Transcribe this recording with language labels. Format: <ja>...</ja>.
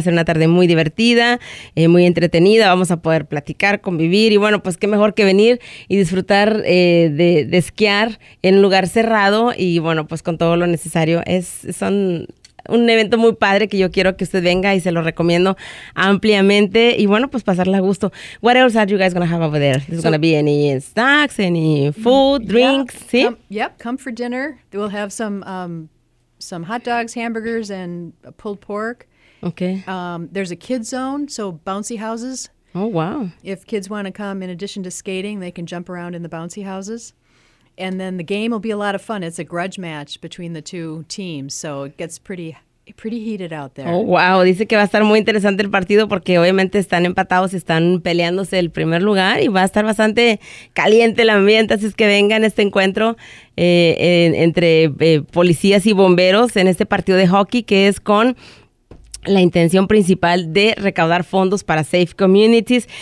<es>Va a ser una tarde muy divertida, muy entretenida. Vamos a poder platicar, convivir. Y bueno, pues qué mejor que venir y disfrutar de esquiar en un lugar cerrado. Y bueno, pues con todo lo necesario. Son un evento muy padre que yo quiero que usted venga y se lo recomiendo ampliamente. Y bueno, pues pasarla a gusto.</es> <en>What else are you guys going to have over there? Is it going to be any snacks, any food, drinks? Yeah. See? Come for dinner. We'll have some hot dogs, hamburgers, and pulled pork. Okay. There's a kid zone, so bouncy houses. Oh, wow. If kids want to come, in addition to skating, they can jump around in the bouncy houses. And then the game will be a lot of fun. It's a grudge match between the two teams, so it gets pretty heated out there. Oh, wow.</en> <es>Dice que va a estar muy interesante el partido porque obviamente están empatados, están peleándose el primer lugar y va a estar bastante caliente el ambiente. Así es que vengan este encuentro entre policías y bomberos en este partido de hockey que es con la intención principal de recaudar fondos para Safe Communities.</es>